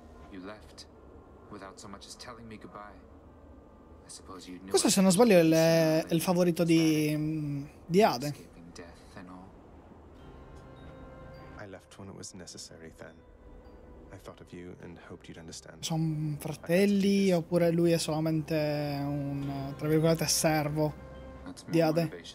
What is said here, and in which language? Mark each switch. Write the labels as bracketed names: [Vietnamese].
[English] You left without so much as telling me goodbye. I suppose you knew. [Italian] Questo, se non sbaglio, è il favorito di Ade. [English] I left when it was necessary then. I thought of you and hoped you'd understand. [Italian] Sono fratelli oppure lui è solamente un tra virgolette servo di Ade?